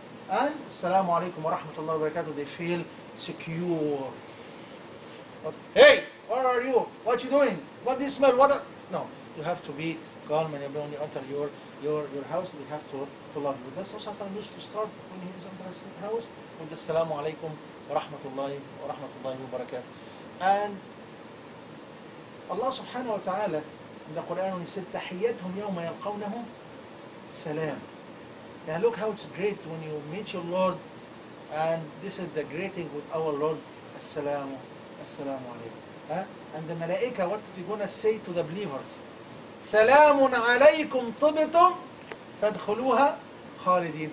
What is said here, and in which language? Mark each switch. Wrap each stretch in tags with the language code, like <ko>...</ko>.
<en>And السلام عليكم ورحمة الله وبركاته, they feel secure. Hey, where are you? What are you doing? What do you smell? What? No, you have to be calm and when you enter your house, they have to love you. That's also something used to start when he is under his house with the السلام عليكم ورحمة الله وبركاته. And Allah سبحانه وتعالى in the Quran when he said</en> <ar>تحياتهم يوم يلقونهم سلام.</ar> <en>Yeah, look how it's great when you meet your Lord, and this is the greeting with our Lord, السلام السلام عليكم. And the Malaika, what is he gonna say to the believers?</en> <ar>سلام عليكم طبتم فادخلوها خالدين.</ar>